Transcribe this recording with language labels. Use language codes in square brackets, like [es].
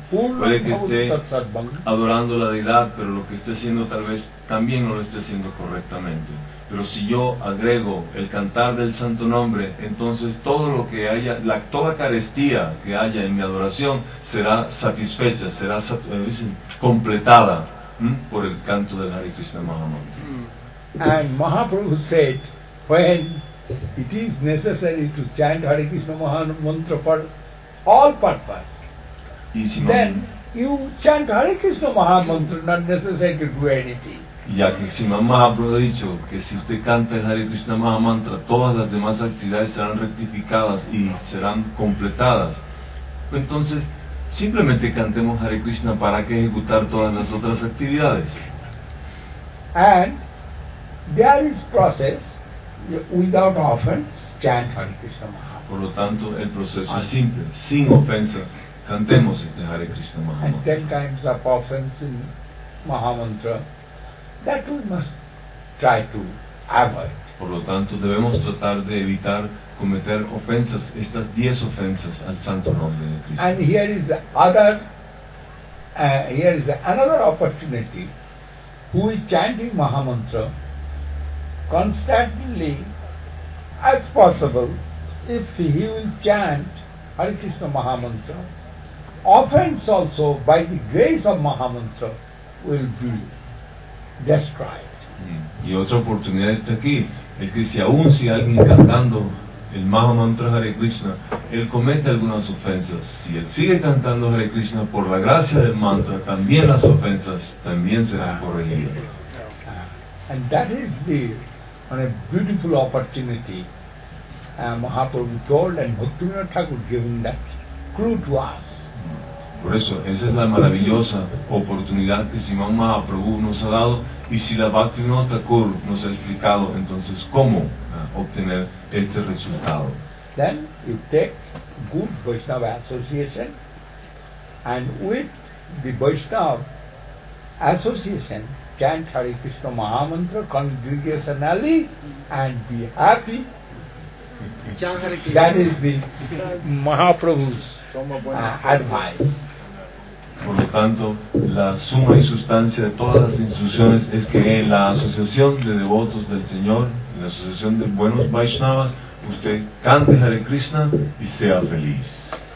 [es] Puede que esté adorando la deidad, pero lo que esté haciendo tal vez también no lo esté haciendo correctamente. Pero si yo agrego el cantar del santo nombre, entonces todo lo que haya, toda carestía que haya en mi adoración será satisfecha, será completada por el canto del Hare Krishna Mahamantra. [en] And Mahaprabhu said, when it is necessary to chant Hare Krishna Mahamantra for all purposes, then you chant Hare Krishna Mahamantra, not necessary to do anything. [es] Ya que Srimad Mahaprabhu ha dicho que si usted canta el Hare Krishna Mahamantra, todas las demás actividades serán rectificadas y serán completadas. Entonces, Simplemente cantemos Hare Krishna para que ejecutar todas las otras actividades. [en] And there is process without offense, chant Hare Krishna Mahamantra. [es] Por lo tanto, el proceso es simple, sin ofensa, cantemos este Hare Krishna Mahamantra. [en] And 10 times of offense in Mahamantra, that we must try to avoid. [es] Por lo tanto, debemos tratar de evitar cometer ofensas, estas 10 ofensas al santo nombre de Cristo. [en] And here is other, here is another opportunity. Who is chanting Mahamantra constantly as possible, if he will chant Hare Krishna Mahamantra, offense also by the grace of Mahamantra will be destroyed. [es] Y otra oportunidad está aquí, es que si aún si alguien cantando el Mahamantra Hare Krishna, él comete algunas ofensas, si él sigue cantando Hare Krishna por la gracia del mantra, también las ofensas también serán corregidas. [en] And that is the one beautiful opportunity Mahaprabhu told, and Bhaktivinoda Thakur giving that clue to us. [es] Por eso, esa es la maravillosa oportunidad que Simón Mahaprabhu nos ha dado, y si la Bhaktivinoda Thakur nos ha explicado, entonces, ¿cómo obtener este resultado? [en] Then, you take good Vaishnava association, and with the Vaishnava association, chant Hare Krishna Mahamantra congregationally, and be happy. That is the Mahaprabhu's advice. [es] Por lo tanto, la suma y sustancia de todas las instrucciones es que en la asociación de devotos del Señor, en la asociación de buenos Vaishnavas, usted cante Hare Krishna y sea feliz.